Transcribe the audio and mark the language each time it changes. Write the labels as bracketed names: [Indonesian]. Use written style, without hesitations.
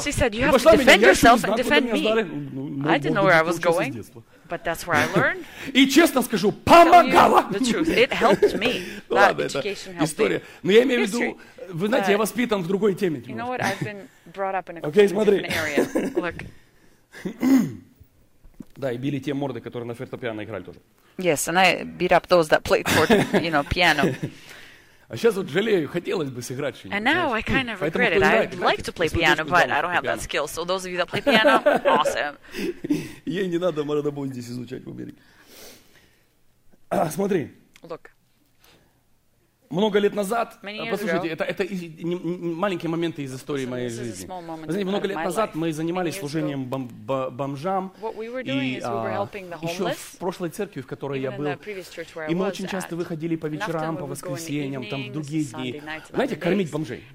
[English] She said, you have to defend yourself and defend me. I didn't know where I was going, but that's where I learned. [Russian] И честно скажу, помогала. [English] The truth, it helped me. That education helped. [Russian] История. Но я имею в виду, вы знаете, я воспитан в другой теме. [English] You know what, I've been brought up in a completely different area. Look. [Russian] Да, и били те морды, которые на фортепиано играли тоже. [English] Yes, and I beat up those that played for, you know, piano. [Russian] А сейчас вот жалею, хотелось бы сыграть что-нибудь. [English] And now I kind of regret it. I'd like to play piano, but I don't have that skill. So those of you that play piano, awesome. [Russian] Ей не надо мордобой здесь изучать в Америке. Смотри. [English] Look. [Russian] Много лет назад, послушайте, это маленькие моменты из истории моей жизни. Вы знаете, много лет назад мы занимались служением бомжам, и еще в прошлой церкви, в которой я был, и мы очень часто выходили по вечерам, по воскресеньям, там в другие дни, знаете, кормить бомжей.